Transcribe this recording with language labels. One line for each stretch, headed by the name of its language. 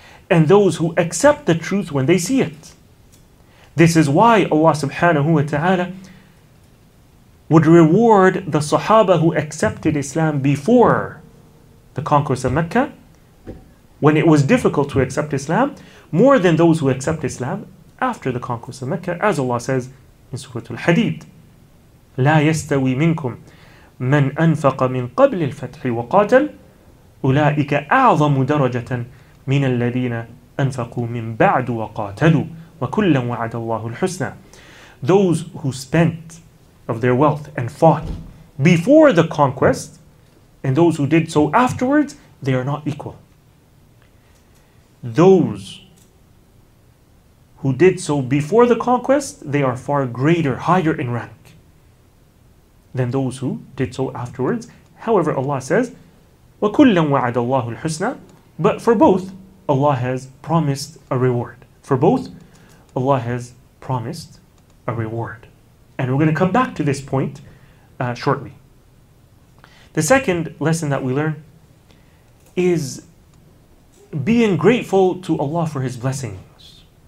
English: And those who accept the truth when they see it. This is why Allah subhanahu wa ta'ala would reward the Sahaba who accepted Islam before the conquest of Mecca, when it was difficult to accept Islam, more than those who accept Islam after the conquest of Mecca, as Allah says in Surah Al-Hadid.
Arabic: لا يستوي منكم من أنفق من قبل الفتح وقاتل أولئك أعظم درجة من الذين أنفقوا من بعد وقاتلوا وكلهم وعد الله الحسنى.
English: Those who spent of their wealth and fought before the conquest, and those who did so afterwards, they are not equal. Those who did so before the conquest, they are far greater, higher in rank than those who did so afterwards. However, Allah says,
Arabic: وَكُلًّا وَعَدَ اللَّهُ الْحُسْنَى.
English: But for both, Allah has promised a reward. For both, Allah has promised a reward. And we're going to come back to this point shortly. The second lesson that we learn is being grateful to Allah for His blessings.